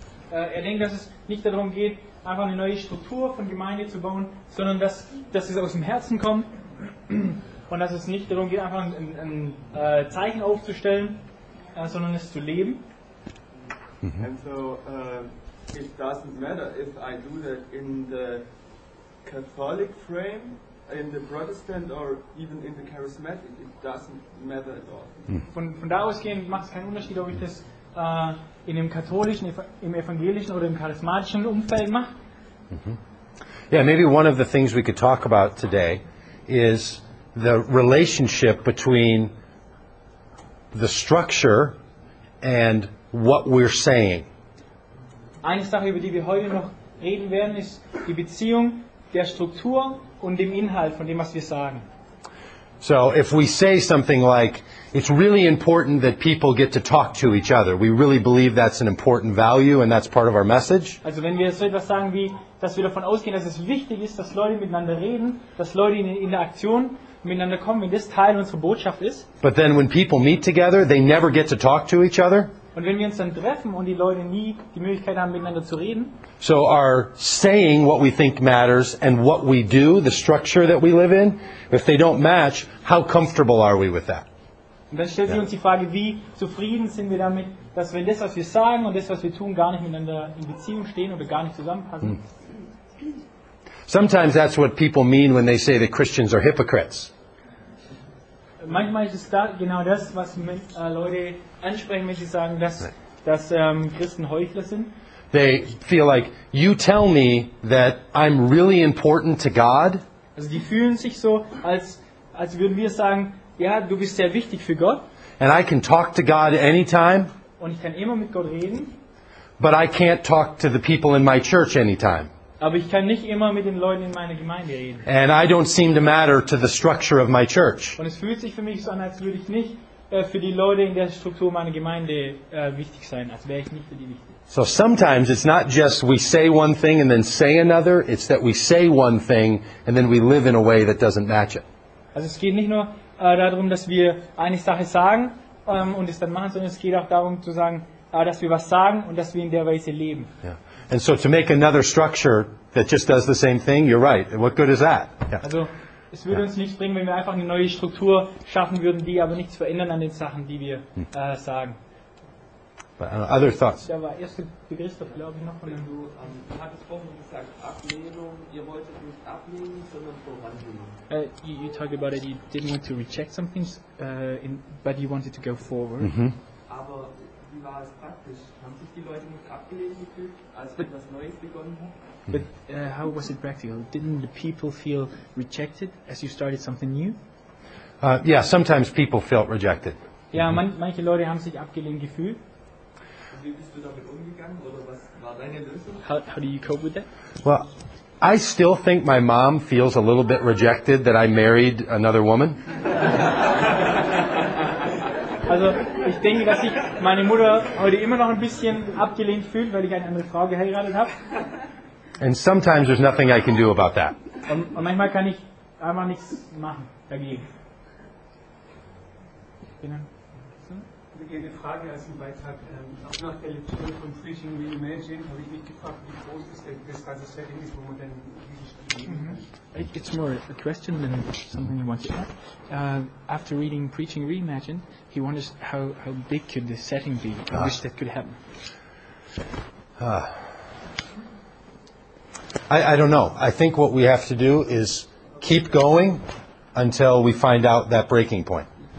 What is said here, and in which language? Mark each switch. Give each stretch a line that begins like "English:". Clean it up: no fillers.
German: Er denkt, dass es nicht darum geht, einfach eine neue Struktur von Gemeinde zu bauen, sondern dass es aus dem Herzen kommt. Und dass es nicht darum geht, einfach ein Zeichen aufzustellen, sondern es zu leben. Mm-hmm.
English: And so it doesn't matter if I do that in the Catholic frame, in the Protestant or even in the Charismatic, it doesn't matter at all.
German: Von da ausgehend macht es keinen Unterschied, ob ich das in dem katholischen, im evangelischen oder im charismatischen Umfeld mache. Mm-hmm.
English: Yeah, maybe one of the things we could talk about today is the relationship between the structure and what we're saying.
German: Eine Sache, über die wir heute noch reden werden, ist die Beziehung der Struktur und dem Inhalt von dem, was wir sagen.
English: So if we say something like, it's really important that people get to talk to each other, we really believe that's an important value and that's part of our message.
German: Also wenn wir so etwas sagen wie, dass wir davon ausgehen, dass es wichtig ist, dass Leute miteinander reden, dass Leute in der Aktion miteinander kommen, wenn das Teil unserer Botschaft ist.
English: But then when people meet together, they never get to talk to each other.
German: Und wenn wir uns dann treffen und die Leute nie die Möglichkeit haben, miteinander zu reden.
English: So our saying what we think matters and what we do, the structure that we live in, if they don't match, how comfortable are we with that?
German: Und dann stellt sich uns die Frage, wie zufrieden sind wir damit, dass wenn das, was wir sagen und das, was wir tun, gar nicht miteinander in Beziehung stehen oder gar nicht zusammenpassen.
English: Sometimes that's what people mean when they say that Christians are hypocrites.
German: Manchmal ist es da genau das, was Leute ansprechen, wenn sie sagen, dass Christen Heuchler sind.
English: They feel like, you tell me that I'm really important to God.
German: Also die fühlen sich so, als würden wir sagen, ja, du bist sehr wichtig für Gott.
English: And I can talk to God anytime.
German: Und ich kann immer mit Gott reden.
English: But I can't talk to the people in my church anytime.
German: Aber ich kann nicht immer mit den Leuten in meiner Gemeinde reden.
English: And I don't seem to matter to the structure of my church.
German: Und es fühlt sich für mich so an, als würde ich nicht für die Leute in der Struktur meiner Gemeinde wichtig sein, als wäre ich nicht für die wichtig.
English: So sometimes it's not just we say one thing and then say another, it's that we say one thing and then we live in a way that doesn't match it.
German: Also es geht nicht nur darum, dass wir eine Sache sagen und es dann machen, sondern es geht auch darum zu sagen, dass wir was sagen und dass wir in der Weise leben. Yeah.
English: And so to make another structure that just does the same thing, you're right. What good is that? Yeah.
German: Also, es würde uns nichts bringen, wenn wir einfach eine neue Struktur schaffen würden, die aber nichts verändern an den Sachen, die wir sagen.
English: But, other thoughts?
German: Da war erst der Christoph, glaube ich, noch von dem. Du hattest vorhin gesagt, Ablehnung, ihr wolltet nicht ablehnen, sondern vorangehen.
English: You talked about it, you didn't want to reject some things, but you wanted to go forward. Mm-hmm.
German: Aber wie war es praktisch? Haben sich die Leute nicht abgelehnt gefühlt, als wir etwas Neues begonnen haben?
English: But how was it practical? Didn't the people feel rejected as you started something new? Yeah, sometimes people felt rejected.
German: Yeah, manche Leute haben sich abgelehnt gefühlt. Wie bist du damit umgegangen oder was war deine Lösung?
English: How do you cope with that? Well, I still think my mom feels a little bit rejected that I married another woman.
German: Also, ich denke, dass sich meine Mutter heute immer noch ein bisschen abgelehnt fühlt, weil ich eine andere Frau geheiratet habe.
English: And sometimes there's nothing I can do about that.
German: Und manchmal kann ich einfach nichts machen dagegen. drinnen. Eine Frage als ein Beitrag. Auch nach der Lektüre von Preaching Reimagined habe ich mich gefragt, wie groß ist denn das ganze Setting, wo man denn Mm-hmm.
English: It's more a question than something you want to add. After reading Preaching Reimagined, he wonders how big could this setting be? I wish that could happen. I don't know. I think what we have to do is keep going until we find out that breaking point.